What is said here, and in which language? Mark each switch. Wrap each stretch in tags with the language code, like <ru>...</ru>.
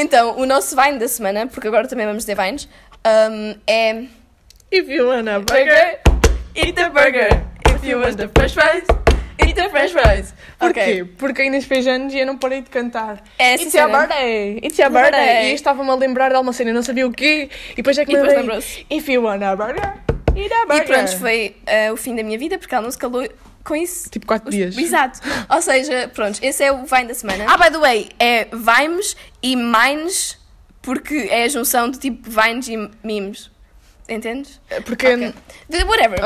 <pt>Então, o nosso Vine da semana, porque agora também vamos ter Vines, é...</pt> <en>If you want a burger, eat a burger. If you want a fresh fries, eat a fresh fries.</en> <pt>Porquê? Okay. Porque ainda fez anos e eu não parei de cantar. É,</pt> <en>it's your birthday! It's your birthday!</en> <pt>E eu estava-me a lembrar de alguma cena, eu não sabia o quê. E depois é que me lembro.</pt> <en>If you want a burger, eat a burger.</en> <pt>E pronto, foi o fim da minha vida, porque ela não se calou com isso. Tipo 4 dias. Exato. Ou seja, pronto, esse é o Vine da semana. Ah,</pt> <en>by the way,</en> <pt>é Vimes e Mines, porque é a junção de tipo Vines e memes. Entendes? Porque...</pt> <en>Okay. Whatever.</en>